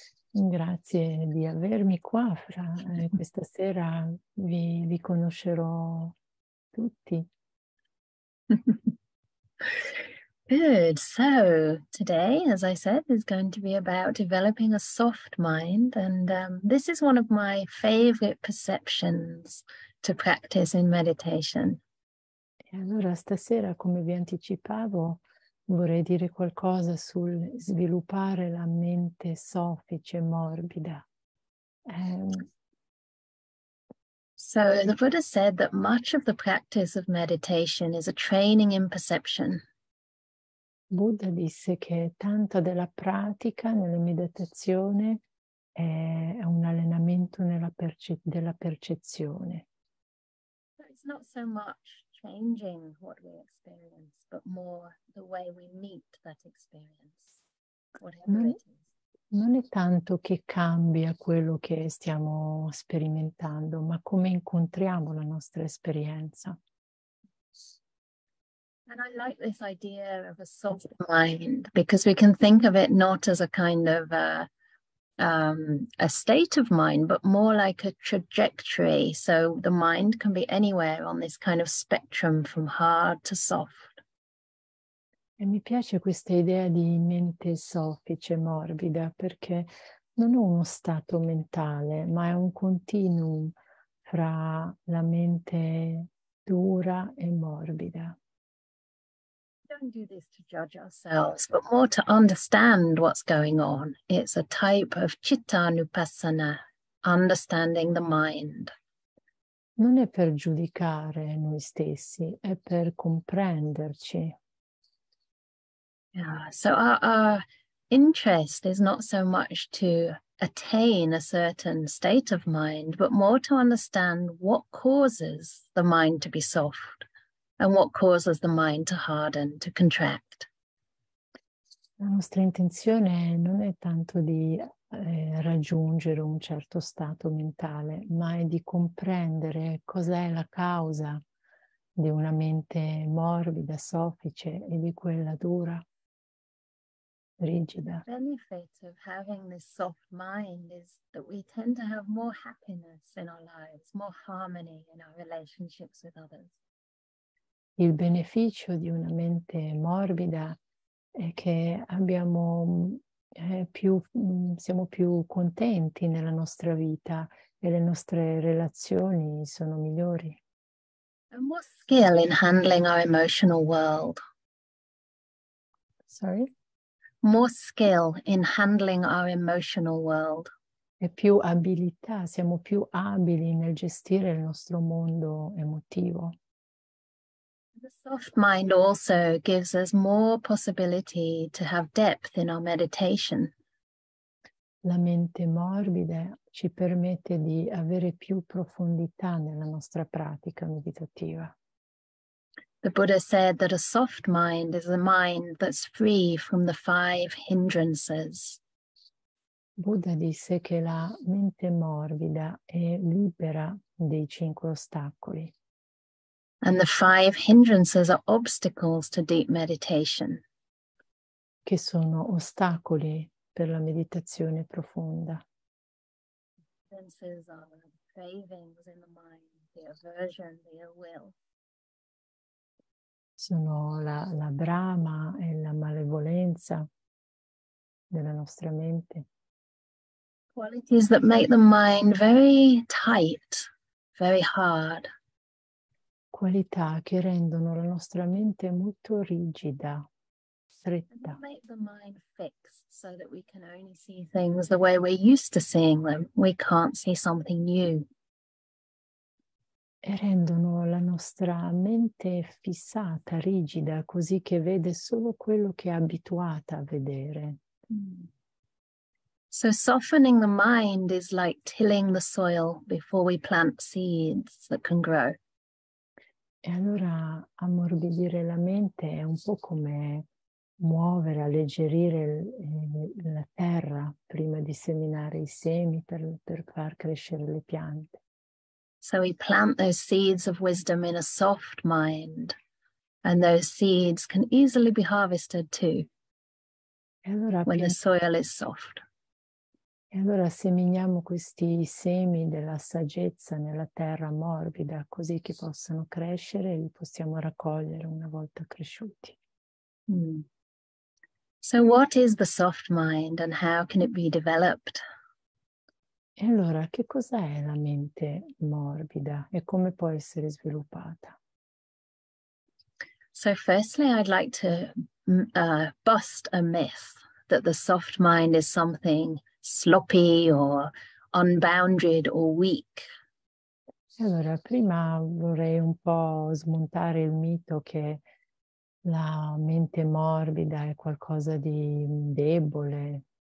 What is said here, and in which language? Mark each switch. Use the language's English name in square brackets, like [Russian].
[Italian] Grazie di avermi qua, Fra. Questa sera vi conoscerò tutti. [English] Good. So today, as I said, is going to be about developing a soft mind. And this is one of my favorite perceptions to practice in meditation. [Italian] E allora stasera, come vi anticipavo, vorrei dire qualcosa sul sviluppare la mente soffice, morbida. [English] So the Buddha said that much of the practice of meditation is a training in perception. [Italian] Buddha disse che tanta della pratica nella meditazione è un allenamento nella della percezione. [English] It's not so much changing what we experience, but more the way we meet that experience, whatever it is. [Italian] Non è tanto che cambia quello che stiamo sperimentando, ma come incontriamo la nostra esperienza. [English] And I like this idea of a soft mind, because we can think of it not as a kind of a state of mind, but more like a trajectory. So the mind can be anywhere on this kind of spectrum from hard to soft. [Italian] E mi piace questa idea di mente soffice, morbida, perché non ho uno stato mentale, ma è un continuum fra la mente dura e morbida. [English] Don't do this to judge ourselves, but more to understand what's going on. It's a type of citta nupassana, understanding the mind. [Italian] Non è per giudicare noi stessi, è per comprenderci. [English] Yeah, so our interest is not so much to attain a certain state of mind, but more to understand what causes the mind to be soft. And what causes the mind to harden, to contract? [Italian] La nostra intenzione non è tanto di raggiungere un certo stato mentale, ma è di comprendere cos'è la causa di una mente morbida, soffice, e di quella dura, rigida. [English] The benefit of having this soft mind is that we tend to have more happiness in our lives, more harmony in our relationships with others. [Italian] Il beneficio di una mente morbida è che abbiamo siamo più contenti nella nostra vita e le nostre relazioni sono migliori. [English] And what skill in handling our emotional world? Sorry? More skill in handling our emotional world. [Italian] E più abilità, siamo più abili nel gestire il nostro mondo emotivo. [English] The soft mind also gives us more possibility to have depth in our meditation. [Italian] La mente morbida ci permette di avere più profondità nella nostra pratica meditativa. [English] The Buddha said that a soft mind is a mind that's free from the five hindrances. [Italian] Buddha disse che la mente morbida è libera dei cinque ostacoli. [English] And the five hindrances are obstacles to deep meditation. [Italian] Che sono ostacoli per la meditazione profonda. [English] Hindrances are the cravings in the mind, the aversion, the ill will. [Italian] Sono la brama e la malevolenza della nostra mente. [English] Qualities that make the mind very tight, very hard. [Italian] Qualità che rendono la nostra mente molto rigida, stretta. [English] And make the mind fixed so that we can only see things the way we're used to seeing them. We can't see something new. [Italian] E rendono la nostra mente fissata, rigida, così che vede solo quello che è abituata a vedere. [English] So softening the mind is like tilling the soil before we plant seeds that can grow. [Italian] E allora ammorbidire la mente è un po' come muovere, alleggerire la terra prima di seminare i semi per far crescere le piante. [English] So we plant those seeds of wisdom in a soft mind, and those seeds can easily be harvested too, [Italian] allora [English] when the soil is soft. [Italian] E allora seminiamo questi semi della saggezza nella terra morbida, così che possano crescere e li possiamo raccogliere una volta cresciuti. [English] So what is the soft mind and how can it be developed? [Italian] E allora, che cos'è la mente morbida e come può essere sviluppata? [English] So firstly, I'd like to bust a myth that the soft mind is something sloppy or unbounded or weak. [Italian] Allora, prima vorrei un po' smontare il mito che la mente morbida è qualcosa di debole.